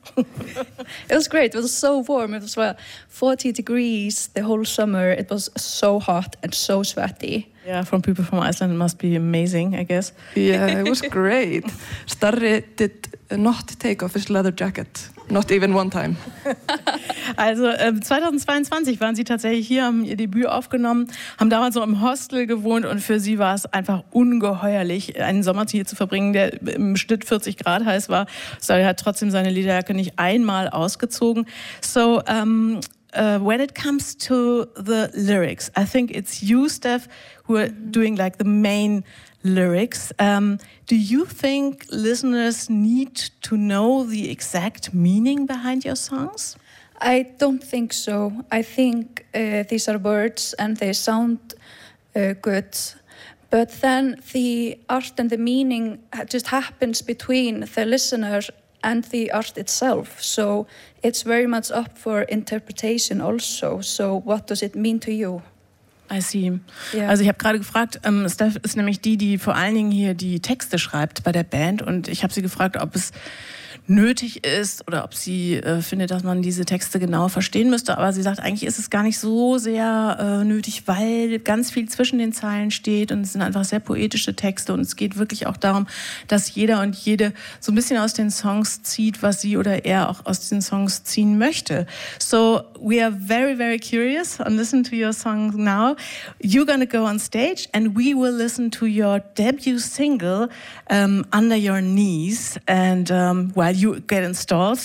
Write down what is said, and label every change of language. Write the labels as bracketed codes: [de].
[en] It was great. It was so warm. It was 40 degrees the whole summer. It was so hot and so sweaty. Yeah, from people from Iceland, it must be amazing, I guess. Yeah, it was great. Starri did not take off his leather jacket, not even one time. [de] Also 2022 waren sie tatsächlich hier, haben ihr Debüt aufgenommen, haben damals noch im Hostel gewohnt und für sie war es einfach ungeheuerlich, einen Sommer hier zu verbringen, der im Schnitt 40 Grad heiß war. Starri hat trotzdem seine Lederjacke nicht einmal ausgezogen. [en] So, when it comes to the lyrics, I think it's you, Steph, who are doing like the main lyrics. Do you think listeners need to know the exact meaning behind your songs? I don't think so. I think these are words and they sound good. But then the art and the meaning just happens between the listener and the art itself. So it's very much up for interpretation also. So what does it mean to you? I see. Yeah. [de] Also ich habe gerade gefragt, Steph ist nämlich die, die vor allen Dingen hier die Texte schreibt bei der Band. Und ich habe sie gefragt, ob es nötig ist oder ob sie findet, dass man diese Texte genau verstehen müsste. Aber sie sagt, eigentlich ist es gar nicht so sehr nötig, weil ganz viel zwischen den Zeilen steht und es sind einfach sehr poetische Texte und es geht wirklich auch darum, dass jeder und jede so ein bisschen aus den Songs zieht, was sie oder er auch aus den Songs ziehen möchte. [en] So, we are very, very curious and listen to your song now. You're gonna go on stage and we will listen to your debut single Under Your Knees and while you get installed.